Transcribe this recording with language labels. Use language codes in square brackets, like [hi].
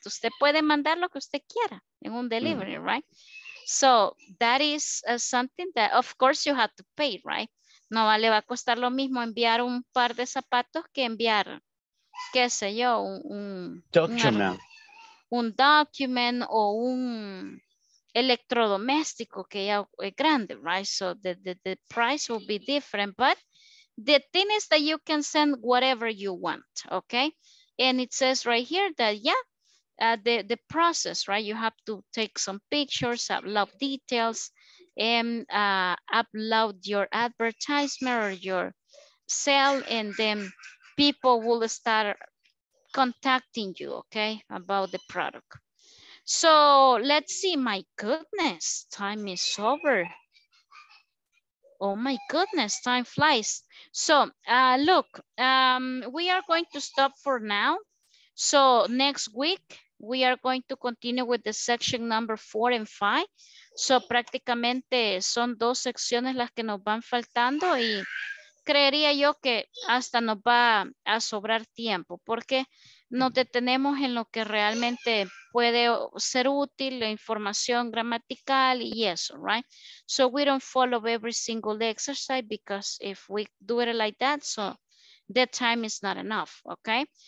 [es] Usted puede mandar lo que usted quiera en un delivery, right? [en] So that is something that, of course, you have to pay, right? [es] No le va a costar lo mismo enviar un par de zapatos que enviar, qué sé yo, un [en] document. [es] Un document o un electrodoméstico que ya es grande, right? [en] So the price will be different, but the thing is that you can send whatever you want, okay? And it says right here that, yeah, the process, right? You have to take some pictures, upload details, and upload your advertisement or your sale, and then people will start contacting you, okay, about the product. So let's see, my goodness, time is over. Oh my goodness, time flies. So look, we are going to stop for now. So next week, we are going to continue with the section number 4 and 5. [es] So prácticamente son dos secciones las que nos van faltando y creería yo que hasta nos va a sobrar tiempo porque nos detenemos en lo que realmente puede ser útil, la información gramatical y eso, right? [en] So we don't follow every single exercise because if we do it like that, so the time is not enough, okay?